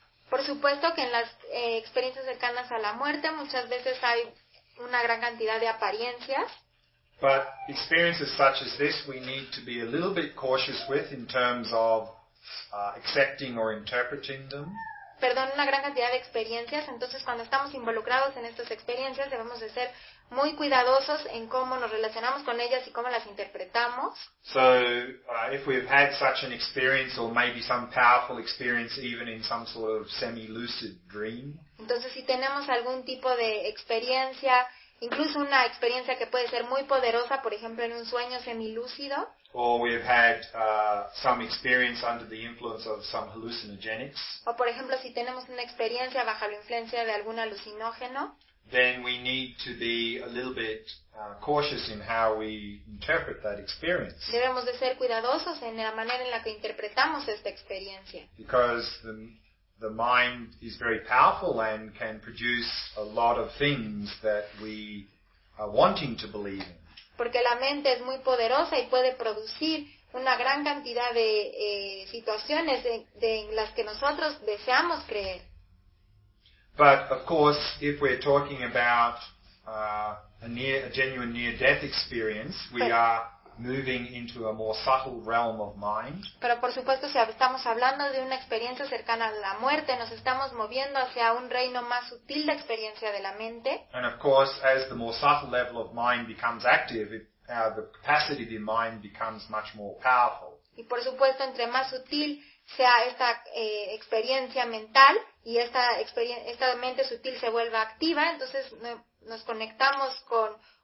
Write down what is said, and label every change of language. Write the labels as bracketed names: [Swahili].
[Spanish] Por supuesto que en las experiencias cercanas a la muerte muchas veces hay una gran cantidad de apariencias. [English] But experiences such as this we need to be a little bit cautious with in terms of accepting or interpreting them. [Spanish] Perdón, una gran cantidad de experiencias. Entonces, cuando estamos involucrados en estas experiencias, debemos de ser muy cuidadosos en cómo nos relacionamos con ellas y cómo las interpretamos. [English] So, if we've had such an experience or maybe some powerful experience even in some sort of semi-lucid dream. [Spanish] Entonces, si tenemos algún tipo de experiencia, incluso una experiencia que puede ser muy poderosa, por ejemplo, en un sueño semilúcido. [English] Or we've had some experience under the influence of some hallucinogenics. [Spanish] O por ejemplo, si tenemos una experiencia bajo la influencia de algún alucinógeno. [English] Then we need to be a little bit cautious in how we interpret that experience. [Spanish] Debemos de ser cuidadosos en la manera en la que interpretamos esta experiencia. [English] Because the mind is very powerful and can produce a lot of things that we are wanting to believe in. [Spanish] Porque la mente es muy poderosa y puede producir una gran cantidad de situaciones en las que nosotros deseamos creer. [English] But of course, if we're talking about a genuine near-death experience, we are moving into a more subtle realm of mind. [Spanish] Pero por supuesto, si estamos hablando de una experiencia cercana a la muerte, nos estamos moviendo hacia un reino más sutil de experiencia de la mente. [English] And of course, as the more subtle level of mind becomes active, the capacity of the mind becomes much more powerful. [Spanish] Y por supuesto, entre más sutil sea esta experiencia mental y esta mente sutil se vuelva activa, entonces nos conectamos con